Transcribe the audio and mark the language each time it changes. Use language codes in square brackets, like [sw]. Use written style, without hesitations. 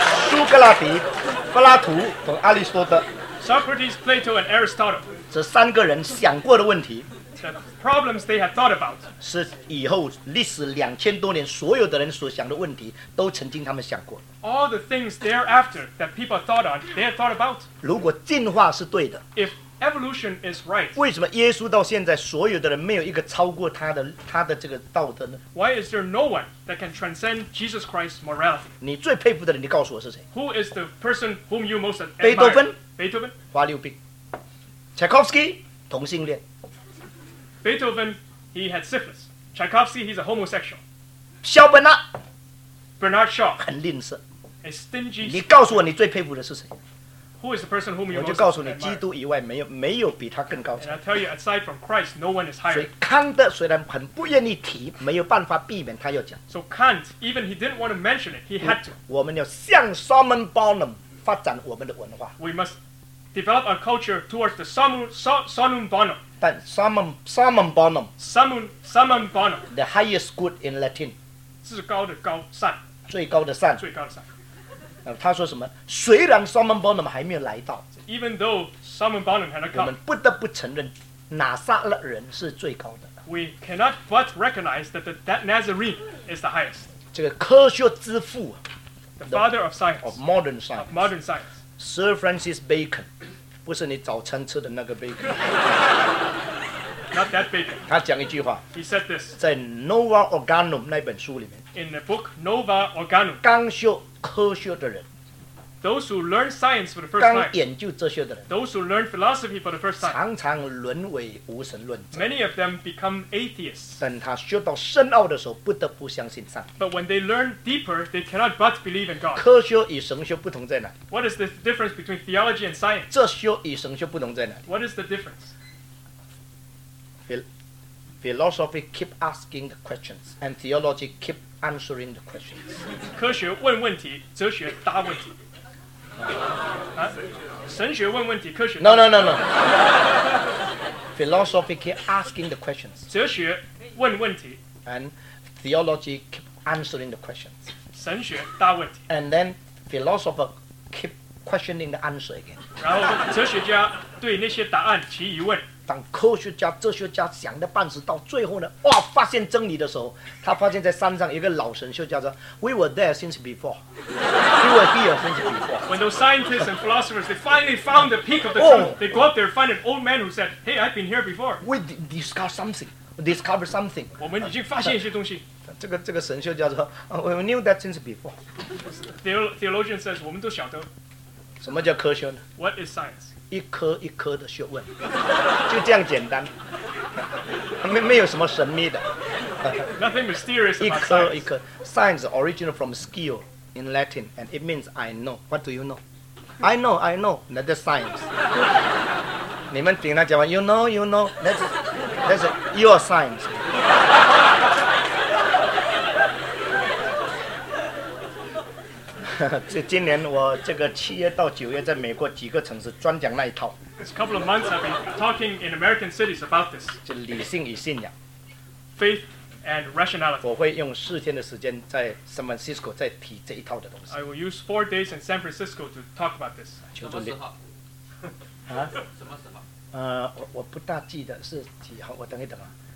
[zh] 苏格拉底、柏拉图和亚里士多德。 [en] Socrates, Plato, and Aristotle. [zh] 这三个人想过的问题。 [en] The problems they had thought about [zh] 是以后历史两千多年所有的人所想的问题都曾经他们想过。 [en] All the things thereafter that people thought on, they had thought about. [zh] 如果进化是对的 [en] ，If evolution is right, [zh] 为什么耶稣到现在所有的人没有一个超过他的这个道德呢 [en] ？Why is there no one that can transcend Jesus Christ's morality? [zh] 你最佩服的人，你告诉我是谁 [en] ？Who is the person whom you most admire? [zh] 贝多芬 [en] ，Beethoven， [zh] 花六病 ，Tchaikovsky， 同性恋。 [en] Beethoven, he had syphilis. Tchaikovsky, he's a homosexual. [zh] 肖伯纳 [en] Bernard Shaw, [zh] 很吝啬 [en] a stingy. [zh] 你告诉我你最佩服的是谁 [en] ？Who is the person whom you most [zh] 我就告诉你，基督以外没有比他更高。 [en] And I tell you, aside from Christ, no one is higher. [zh] 所以康德虽然很不愿意提，没有办法避免他要讲。 [en] So Kant, even he didn't want to mention it, he had to. [zh] 我们要向 Solomon Bonham 发展我们的文化。 [en] We must develop our culture towards the Solomon Bonham. But Solomon Bonham, Solomon Bonham, the highest good in Latin, [zh] 至高的高善，最高的善，最高的善。他说什么？虽然 Solomon Bonham 还没有来到 [en] ，Even though Solomon Bonham had not come, [zh] 我们不得不承认，拿撒勒人是最高的。 [en] We cannot but recognize that that Nazarene is the highest. [zh] 这个科学之父 [en] ，the father of science, of modern science, of modern science, [zh] Sir Francis Bacon. 不是你早餐吃的那个 bacon， [en] not that bacon。 [zh] 他讲一句话 [en] ，He said this， [zh] 在 Nova Organum 那本书里面 [en] ，In the book Nova Organum， [zh] 刚学科学的人 [en] ，Those who learn science for the first time， [zh] 刚研究哲学的人 [en] ，Those who learn philosophy for the first time， [zh] 常常沦为无神论者 [en] ，Many of them become atheists。 [zh] 等他学到深奥的时候，不得不相信上帝。 [en] But when they learn deeper， they cannot but believe in God。 [zh] 科学与神学不同在哪 [en] ？What is the difference between theology and science？ [zh] 哲学与神学不同在哪 [en] ？What is the difference？ Philosophy keep asking the questions， and theology keep answering the questions。 [zh] 科学问问题，哲学答问题。神学问问题，科学 [en] No. Philosophy keep asking the questions. [zh] 哲学问问题 [en] ，and theology keep answering the questions. [zh] 神学答问题 [en] ，and then philosopher keep questioning the answer again. [zh] 然后哲学家对那些答案提疑问。当科学家、哲学家想的半死，到最后呢，哇，发现真理的时候，他发现在山上一个老神学家说 ： [en] “We were there since before. We were here since before.” When those scientists and philosophers they finally found the peak of the truth, they go up there find an old man who said, "Hey, I've been here before." We discover something. Discover something. [zh] 我们已经发现一些东西。这个神学家说 ： [en] “We knew that since before.” Theologian says, [zh] 我们都晓得。什么叫科学呢 [en] ？What is science? [zh] 一颗一颗的学问，就这样简单，没有什么神秘的。 [en] Nothing mysterious about science. [zh] 一颗一颗 [en] ，science originated from skill in Latin, and it means I know. What do you know? I know, I know. That's science. [zh] 你们听他讲完 [en] ，you know, that's your science. [zh] 今年我这个七月到九月在美国几个城市专讲那一套。 [en] It's a couple of months I've been talking in American cities about this. [zh] 就理性与信仰。 [en] Faith and rationality. [zh] 我会用四天的时间在 San Francisco 再提这一套的东西。 [en] I will use 4 days in San Francisco to talk about this. [zh] 求助你。什么时候？啊？什么时候？我不大记得是几号，我等一等啊。